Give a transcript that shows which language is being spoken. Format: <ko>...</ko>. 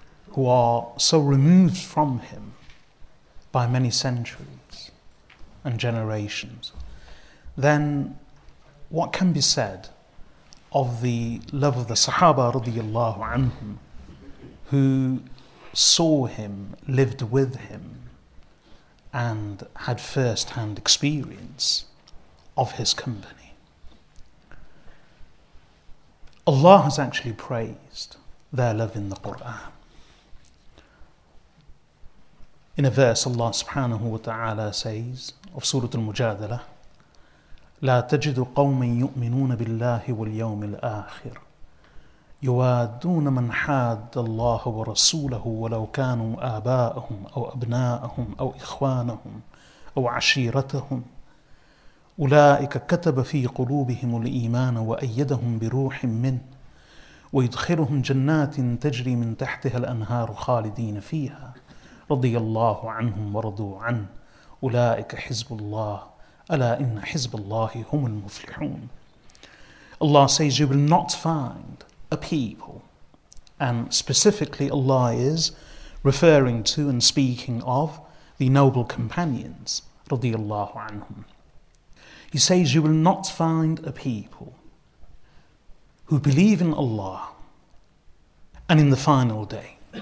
<en>who are so removed from him by many centuries and generations, then what can be said of the love of the Sahaba radiyallahu anhum, who saw him, lived with him, and had first-hand experience of his company? Allah has actually praised their love in the Qur'an. In a verse, Allah subhanahu wa ta'ala says of Surah Al-Mujadalah,</en> <ar>لا تجد قوما يؤمنون بالله واليوم الآخر يوادون من حاد الله ورسوله ولو كانوا آباءهم أو أبناءهم أو إخوانهم أو عشيرتهم أولئك كتب في قلوبهم الإيمان وأيدهم بروح منه ويدخلهم جنات تجري من تحتها الأنهار خالدين فيها رضي الله عنهم ورضوا عنه أولئك حزب الله أَلَا إِنَّ حِزْبَ اللَّهِ هُمُ الْمُفْلِحُونَ.</ar> <en>Allah says you will not find a people, and specifically Allah is referring to and speaking of the noble companions, radiyallahu anhum. He says you will not find a people who believe in Allah and in the final day,</en>